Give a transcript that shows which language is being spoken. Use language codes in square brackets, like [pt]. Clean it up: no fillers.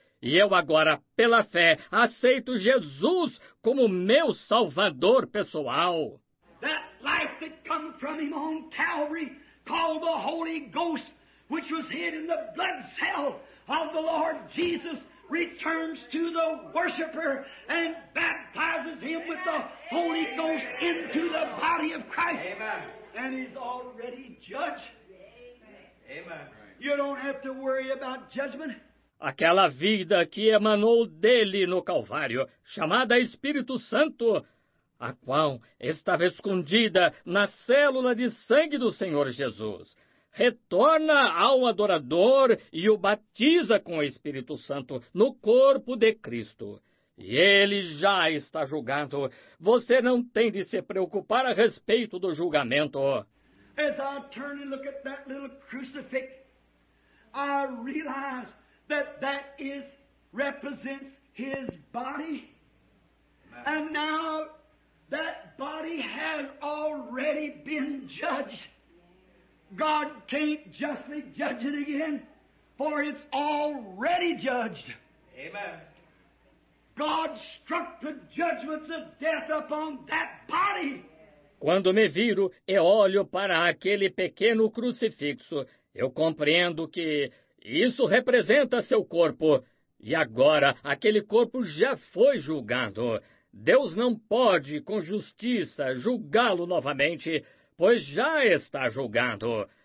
[pt] E eu agora, pela fé, aceito Jesus como meu Salvador pessoal. [en] That life that come from him on Calvary, called the Holy Ghost, which was hid in the blood cell of the Lord Jesus, returns to the worshiper and baptizes him with the Holy Ghost into the body of Christ. Amen. And he's already judged. Amen. You don't have to worry about judgment. [pt] Aquela vida que emanou dele no Calvário, chamada Espírito Santo, a qual estava escondida na célula de sangue do Senhor Jesus, retorna ao adorador e o batiza com o Espírito Santo no corpo de Cristo. E ele já está julgado. Você não tem de se preocupar a respeito do julgamento. [en] As I turn and look at that little crucifix, I realize that that is represents his body. And now that body has already been judged. God can't justly judge it again, for it's already judged. Amen. God struck the judgments of death upon that body. [pt] Quando me viro e olho para aquele pequeno crucifixo, eu compreendo que isso representa seu corpo. E agora, aquele corpo já foi julgado. Deus não pode, com justiça, julgá-lo novamente, pois já está julgado.